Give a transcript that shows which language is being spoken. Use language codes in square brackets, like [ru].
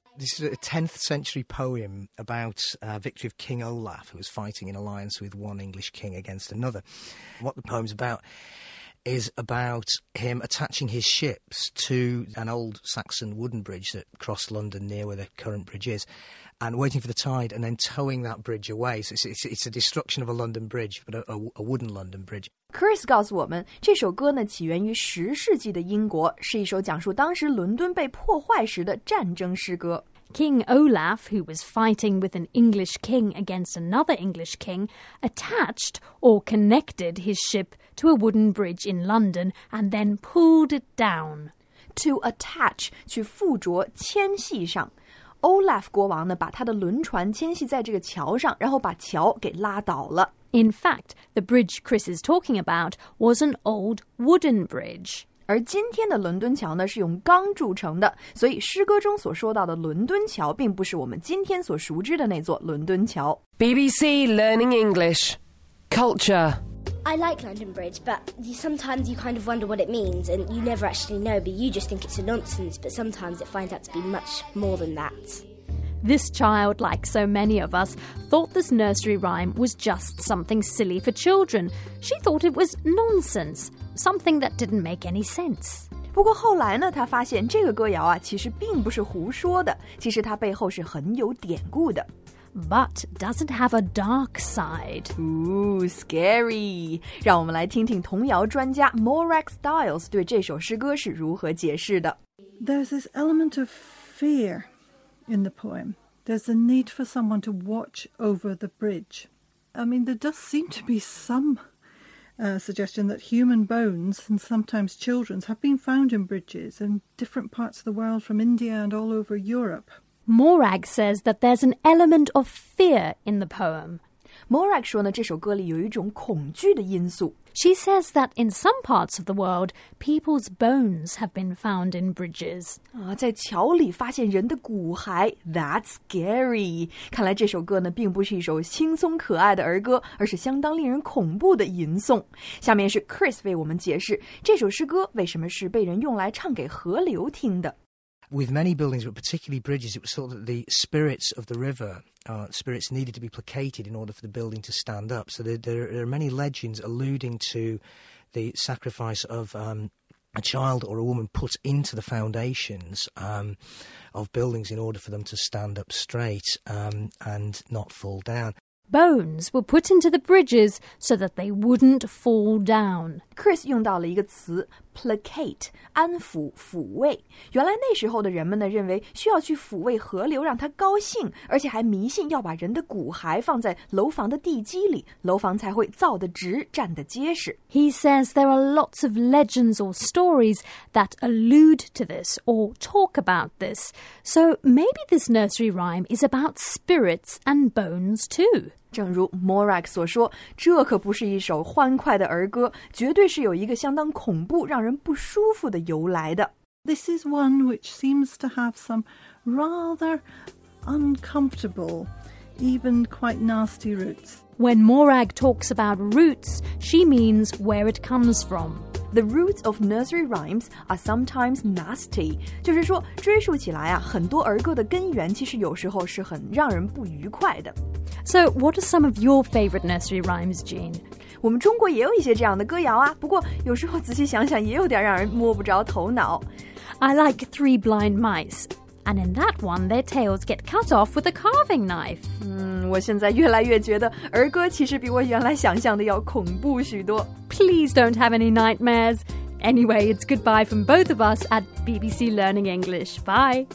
[en] This is a 10th century poem about a victory of King Olaf, who was fighting in alliance with one English king against another. What the poem's about... is about him attaching his ships to an old Saxon wooden bridge that crossed London near where the current bridge is, and waiting for the tide and then towing that bridge away. So it's a destruction of a London bridge, but a wooden London bridge. [zh] Chris 告诉我们，这首歌呢起源于十世纪的英国，是一首讲述当时伦敦被破坏时的战争诗歌。 [en] King Olaf, who was fighting with an English king against another English king, attached or connected his ship to a wooden bridge in London and then pulled it down. To attach, [zh] 去附着牵系上。Olaf 国王呢把他的轮船牵系在这个桥上，然后把桥给拉倒了。 [en] In fact, the bridge Chris is talking about was an old wooden bridge. [zh] 而今天的伦敦桥呢是用钢铸成的，所以诗歌中所说到的伦敦桥并不是我们今天所熟知的那座伦敦桥。 [en] BBC Learning English Culture. I like London Bridge, but sometimes you kind of wonder what it means and you never actually know, but you just think it's a nonsense, but sometimes it finds out to be much more than that. This child, like so many of us, thought this nursery rhyme was just something silly for children. She thought it was nonsense. Something that didn't make any sense. [zh] 不过后来呢，他发现这个歌谣啊，其实并不是胡说的，其实它背后是很有典故的。 [en] But does it have a dark side? Ooh, scary! [zh] 让我们来听听童谣专家 Morag Stiles 对这首诗歌是如何解释的。 [en] There's this element of fear in the poem. There's a need for someone to watch over the bridge. I mean, there does seem to be some... suggestion that human bones and sometimes children's have been found in bridges in different parts of the world from India and all over Europe. Morag says that there's an element of fear in the poem. [zh] Morag 说呢，这首歌里有一种恐惧的因素。 [en] She says that in some parts of the world, people's bones have been found in bridges. [zh] 啊，在桥里发现人的骨骸 ， [en] That's scary. [zh] 看来这首歌呢，并不是一首轻松可爱的儿歌，而是相当令人恐怖的吟诵。下面是 Chris 为我们解释这首诗歌为什么是被人用来唱给河流听的。 [en] With many buildings, but particularly bridges, it was thought that the spirits of the river,spirits needed to be placated in order for the building to stand up. So there are many legends alluding to the sacrifice of a child or a woman put into the foundations of buildings in order for them to stand up straight and not fall down. Bones were put into the bridges so that they wouldn't fall down. [zh] Chris 用到了一个词 placate, 安抚、抚慰。原来那时候的人们呢，认为需要去抚慰河流，让它高兴，而且还迷信要把人的骨骸放在楼房的地基里，楼房才会造得直，站得结实。 [en] He says there are lots of legends or stories that allude to this or talk about this. So maybe this nursery rhyme is about spirits and bones too. [zh] 正如 Morag 所说，这可不是一首欢快的儿歌，绝对是有一个相当恐怖、让人不舒服的由来的。 [en] This is one which seems to have some rather uncomfortable, even quite nasty roots. When Morag talks about roots, she means where it comes from. The roots of nursery rhymes are sometimes nasty. [zh] 就是说追溯起来啊，很多儿歌的根源其实有时候是很让人不愉快的。 [en] So what are some of your favorite nursery rhymes, Jean? [zh] 我们中国也有一些这样的歌谣啊，不过有时候仔细想想也有点让人摸不着头脑。 [en] I like Three Blind Mice, and in that one, their tails get cut off with a carving knife. [zh] 我现在越来越觉得儿歌其实比我原来想象的要恐怖许多。 [en] Please don't have any nightmares. Anyway, it's goodbye from both of us at BBC Learning English. Bye.